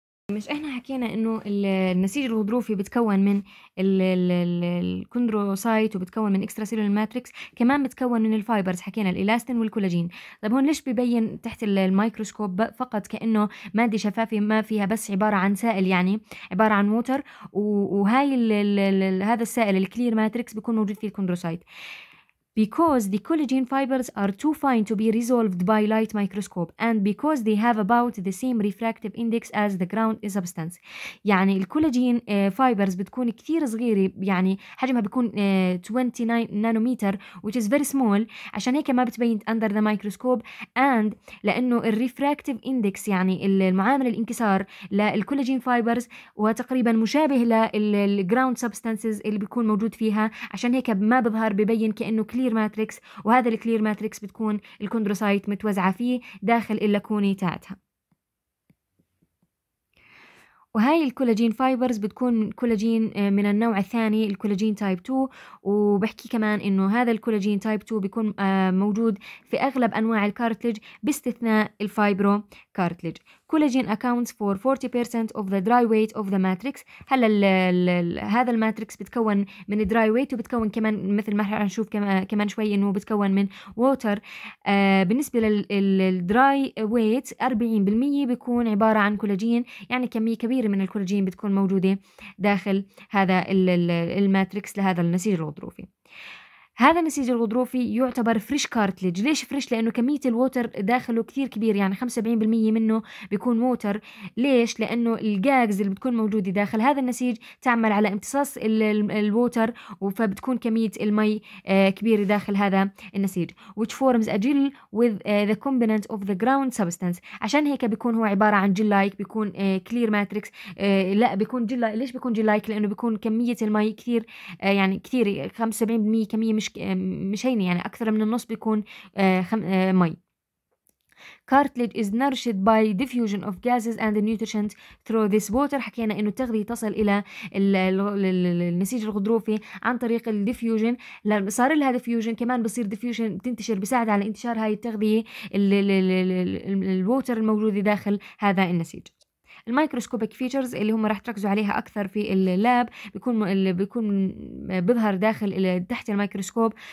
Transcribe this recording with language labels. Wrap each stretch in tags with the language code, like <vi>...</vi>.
<ar>مش احنا حكينا انه النسيج الغضروفي بتكون من الكوندروسايت وبتكون من اكسترا سيلولار ماتريكس، كمان بتكون من الفايبرز، حكينا الإلاستين والكولاجين. طب هون ليش ببين تحت الميكروسكوب فقط كانه ماده شفافه ما فيها، بس عباره عن سائل يعني عباره عن ووتر، وهاي هذا السائل الكلير ماتريكس بيكون موجود فيه الكوندروسايت.</ar> <en>Because the collagen fibers are too fine to be resolved by light microscope and because they have about the same refractive index as the ground substance.</en> <ar>يعني الكولاجين fibers بتكون كثير صغيرة، يعني حجمها بيكون 29 نانومتر</ar> <en>which is very small،</en> <ar>عشان هيك ما بتبين</ar> <en>under the microscope،</en> <ar>and لأنه الريفراكتيف index يعني المعامل الانكسار للكولاجين fibers وتقريبا مشابه للground substances اللي بيكون موجود فيها، عشان هيك ما بظهر ببين كأنه كلير ماتريكس، وهذا الكلير ماتريكس بتكون الكوندروسايت متوزعة فيه داخل اللاكوني تاعتها. وهاي الكولاجين فايبرز بتكون كولاجين من النوع الثاني، الكولاجين تايب 2، وبحكي كمان انه هذا الكولاجين تايب 2 بيكون موجود في اغلب انواع الكارتليج باستثناء الفايبرو كارتليج.</ar> <en>Collagen accounts for 40% of the dry weight of the matrix.</en> <ar>هلا هذا الماتريكس بتكون من dry weight، وبتكون كمان مثل ما حنشوف كمان شوي انه بتكون من water. بالنسبة للdry weight 40% بيكون عبارة عن كولاجين، يعني كمية كبيرة من الكولاجين بتكون موجودة داخل هذا الماتريكس لهذا النسيج الغضروفي. هذا النسيج الغضروفي يعتبر فريش كارتليج. ليش فريش؟ لأنه كمية الووتر داخله كثير كبير، يعني 75% منه بيكون ووتر. ليش؟ لأنه الجاجز اللي بتكون موجودة داخل هذا النسيج تعمل على امتصاص الووتر، فبتكون كمية المي كبيرة داخل هذا النسيج.</ar> <en>Which forms a gel with the component of the ground substance.</en> <ar>عشان هيك بيكون هو عبارة عن جيل لايك، بيكون كلير ماتريكس. لا بيكون جيل لايك. ليش بيكون جيل لايك؟ لأنه بيكون كمية المي كثير، يعني كثير 75% كمية مش هيني، يعني أكثر من النص بيكون مي.</ar> <en>cartilage is nourished by diffusion of gases and nutrients through this water.</en> <ar>حكينا إنه التغذية تصل إلى النسيج الغضروفي عن طريق الديفيوجن. لما صار لها ديفيوجن كمان بصير ديفيوجن بتنتشر، بيساعد على انتشار هاي التغذية الووتر الموجودة داخل هذا النسيج. الميكروسكوبيك فيتشرز اللي هم راح تركزوا عليها اكثر في اللاب بيكون بيظهر داخل تحت الميكروسكوب.</ar>